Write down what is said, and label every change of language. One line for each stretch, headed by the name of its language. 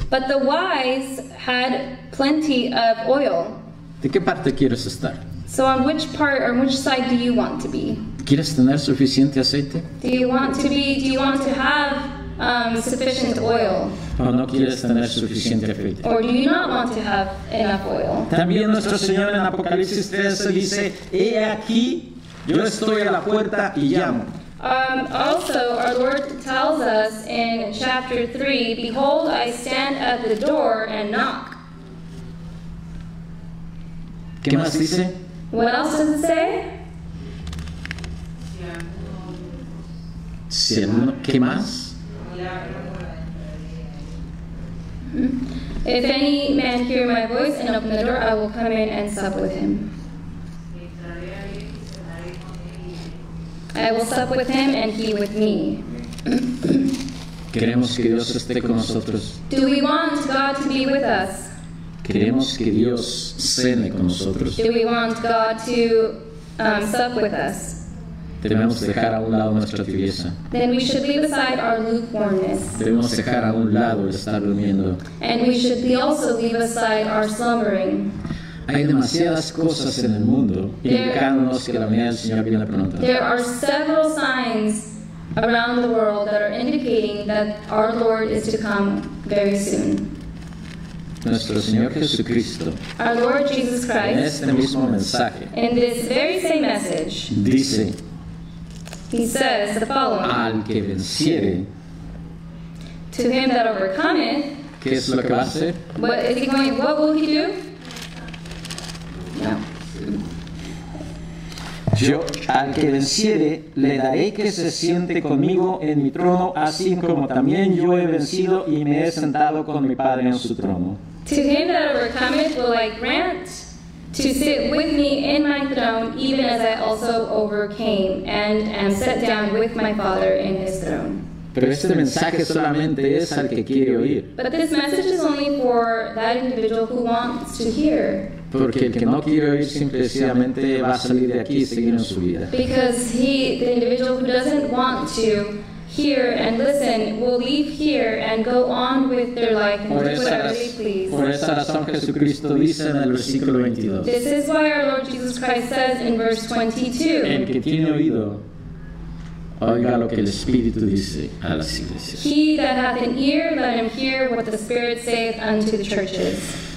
English: But the wise had plenty of oil.
Spanish: ¿De qué parte quieres estar?
English: So on which part or which side do you want to be?
Spanish: ¿Quieres tener suficiente aceite?
English: Do you want to have sufficient oil?
Spanish: ¿O no quieres tener suficiente aceite?
English: Or do you not want to have enough oil?
Spanish: También nuestro Señor en Apocalipsis 13 dice, he aquí, yo estoy a la puerta y llamo.
English: Also, our Lord tells us in chapter 3, behold, I stand at the door and knock.
Spanish: ¿Qué más dice?
English: What else does it say?
Spanish: Si alguno, ¿qué más?
English: If any man hear my voice and open the door, I will come in and sup with him. I will sup with him and he with me.
Spanish: Queremos que Dios esté con nosotros.
English: Do we want God to be with us?
Spanish: Queremos que Dios cene con nosotros.
English: Do we want God to sup with us?
Spanish: Debemos dejar a un lado nuestra tibieza.
English: Then we should leave aside our lukewarmness.
Spanish: Debemos dejar a un lado el estar durmiendo.
English: And we should also leave aside our slumbering.
Spanish: Hay demasiadas cosas en el mundo indicándonos que la venida del Señor viene pronto.
English: There are several signs around the world that are indicating that our Lord is to come very soon.
Spanish: Nuestro Señor Jesucristo,
English: our Lord Jesus Christ,
Spanish: en este mismo mensaje,
English: in this very same message,
Spanish: dice,
English: he says the following,
Spanish: al que venciere,
English: to him that overcometh,
Spanish: ¿qué es lo que va a hacer?
English: What is he going, what will he do?
Spanish: Yo, al que venciere, le daré que se siente conmigo en mi trono, así como también yo he vencido y me he sentado con mi Padre en su trono.
English: To him that overcometh will I grant to sit with me in my throne, even as I also overcame and am set down with my Father in his throne.
Spanish: Pero este mensaje solamente es al que quiere oír.
English: But this message is only for that individual who wants to hear.
Spanish: Porque el que no quiere oír simplemente va a salir de aquí y seguir en su vida.
English: Because the individual who doesn't want to hear and listen will leave here and go on with their life and do whatever they please.
Spanish: Por esa razón Jesucristo dice en el versículo 22.
English: This is why our Lord Jesus Christ says in verse 22.
Spanish: El que tiene oído, oiga lo que el Espíritu dice a las iglesias.
English: He that hath an ear, let him hear what the Spirit saith unto the churches.